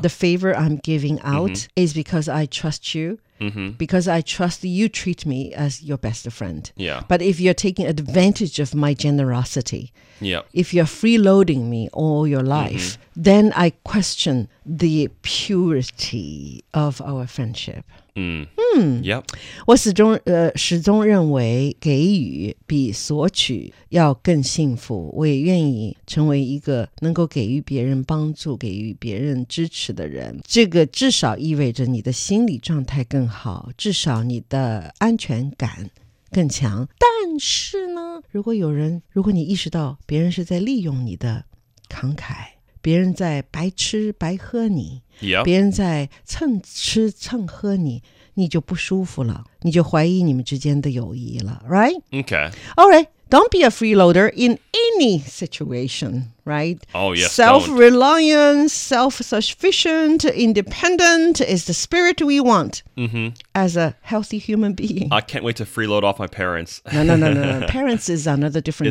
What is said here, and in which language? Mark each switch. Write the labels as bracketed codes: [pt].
[en] the favor I'm giving out is because I trust you, because I trust you treat me as your best friend. Yeah. But if you're taking advantage of my generosity, if you're freeloading me all your life, then I question the purity of our friendship. Yep. [zh] 我始终认为给予比索取要更幸福，我也愿意成为一个能够给予别人帮助，给予别人支持的人。这个至少意味着你的心理状态更好，至少你的安全感更强。但是呢，如果你意识到别人是在利用你的慷慨，别人在白吃白喝你 [en] ，yep. [zh] 别人在蹭吃蹭喝你，你就不舒服了，你就怀疑你们之间的友谊了 ，right? [en] Okay. All right. Don't be a freeloader in any situation, right? Oh yes. Self-reliance, self-sufficient, independent is the spirit we want as a healthy human being. I can't wait to freeload off my parents. No. Parents is another different